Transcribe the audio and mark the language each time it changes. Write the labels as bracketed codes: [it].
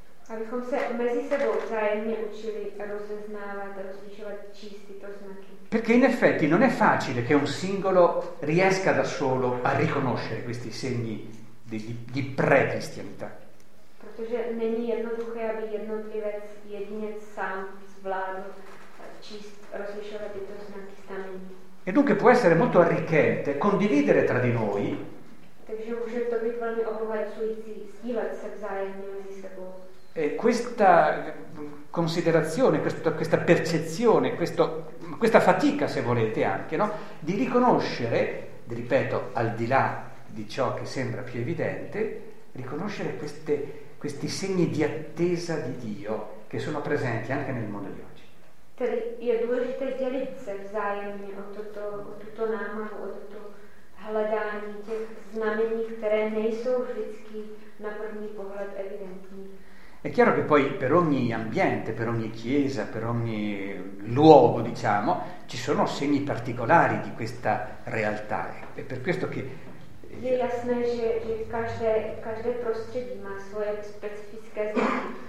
[cs] Abychom se mezi sebou vzájemně učili rozeznávat a rozlišovat čísti to znaky. [it] Perché in effetti non è facile che un singolo riesca da solo a riconoscere questi segni di pre-cristianità. [cs] Protože není jednoduché, aby jednotlivec jedinec sám zvládl číst rozlišovat tyto znaky stamení. [it] E dunque può essere molto arricchente condividere tra di noi. [cs] Takže může to být velmi obohacující sdílet se vzájemně mezi sebou. [it] Questa considerazione, questa percezione, questa fatica, se volete anche, no? Di riconoscere, ripeto, al di là di ciò che sembra più evidente, riconoscere questi segni di attesa di Dio che sono presenti anche nel mondo di oggi. [cs] Tedy je důležité dělit se vzájemně o tuto námahu, o tuto hledání těch znamení, které nejsou vždycky na první pohled evidentní. [it] È chiaro che poi per ogni ambiente, per ogni chiesa, per ogni luogo, diciamo, ci sono segni particolari di questa realtà. È per questo che [cs] je jasné, že každé prostředí má svoje specifické znaky.